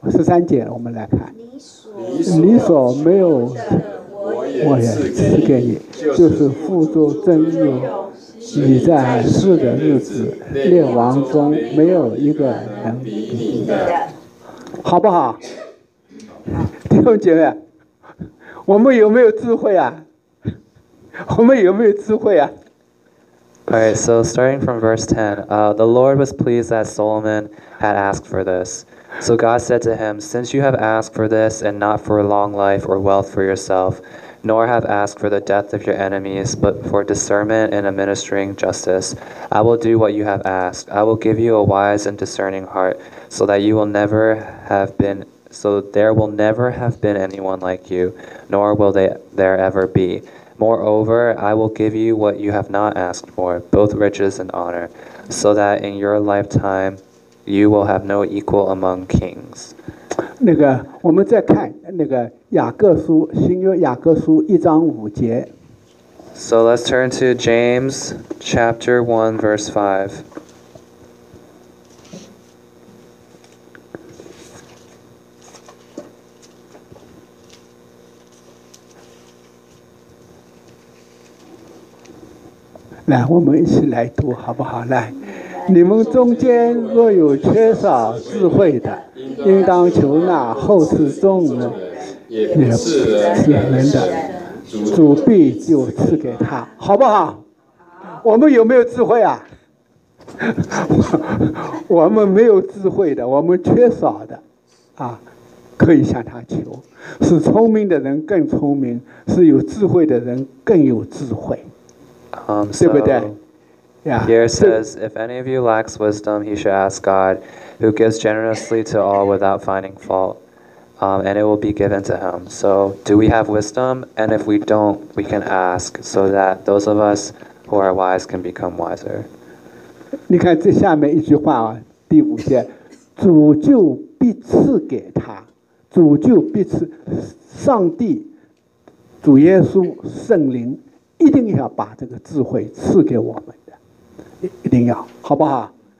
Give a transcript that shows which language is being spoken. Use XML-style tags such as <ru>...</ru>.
<zh>十三节我们来看，你所没有我也赐给你，就是富足增有。你在世的日子，列王中没有一个能比你的，好不好？弟兄姐妹，我们有没有智慧啊？我们有没有智慧啊？</zh> <en>All right, so starting from verse 10, the Lord was pleased that Solomon had asked for this. So God said to him, since you have asked for this and not for a long life or wealth for yourself, nor have asked for the death of your enemies, but for discernment and administering justice, I will do what you have asked. I will give you a wise and discerning heart so that you will never have been, so there will never have been anyone like you, nor will there ever be. Moreover, I will give you what you have not asked for, both riches and honor, so that in your lifetime, you will have no equal among kings.</en> <zh>那个，我们再看那个雅各书，新约雅各书一章五节。</zh> <en>So let's turn to James chapter 1, verse 5.</en> <zh>来，我们一起来读好不好？来，你们中间若有缺少智慧的，应当求那厚赐众人也赐人的主必就赐给他，好不好？我们有没有智慧啊？我们没有智慧的，我们缺少的啊，可以向他求，使聪明的人更聪明，使有智慧的人更有智慧。</zh> <en>Here it says, if any of you lacks wisdom, he should ask God, who gives generously to all without finding fault, and it will be given to him. So do we have wisdom? And if we don't, we can ask so that those of us who are wise can become wiser.</en> <zh>你看这下面一句话、啊、第五节，主就必赐给他，主就必赐，上帝，主耶稣，圣灵。一定要把这个智慧赐给我们的，一定要，好不好？</zh>